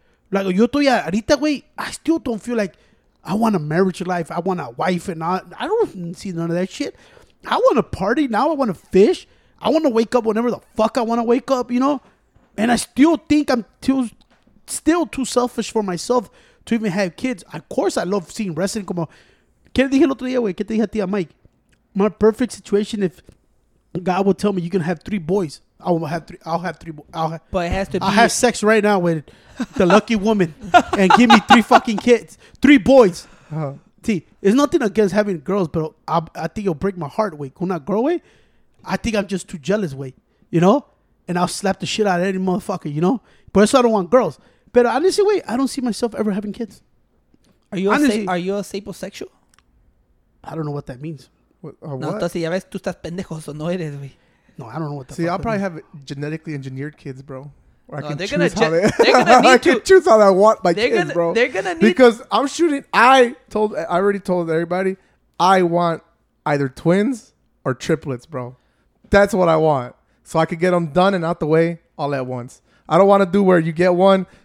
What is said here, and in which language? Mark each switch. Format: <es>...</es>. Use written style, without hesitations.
<en>Like,</en> <es>yo estoy ahorita,</es> <en>güey, I still don't feel like I want a marriage life. I want a wife and I don't see none of that shit. I want to party now. I want to fish. I want to wake up whenever the fuck I want to wake up, you know? And I still think I'm still too selfish for myself to even have kids. Of course, I love seeing wrestling come on.</en> <es>¿Qué dije el otro día, güey? ¿Qué te dije a tía Mike?</es> <en>My perfect situation, if God would tell me you're going to have 3 boys, I will have 3. I'll have 3 boys. But it has to be. I'll have sex right now with the lucky woman and give me 3 fucking kids. 3 boys. Uh-huh. See, it's nothing against having girls, but I think it'll break my heart, güey. When I grow, güey, I think I'm just too jealous, güey. You know? And I'll slap the shit out of any motherfucker, you know? But that's why I don't want girls. But honestly, güey, I don't see myself ever having kids. Are you a staple sexual? I don't know what that means. What?</en> <es>Entonces ya ves, tú estás pendejo, o no eres, güey.</es> <en>No, I don't know what that means. See, I'll probably have genetically engineered kids, bro. Or I can choose how they need to. I can choose how I want my kids, bro. They're going to need. Because I'm shooting. I already told everybody, I want either twins or triplets, bro. That's what I want. So I could get them done and out the way all at once. I don't want to do where you get one,</en>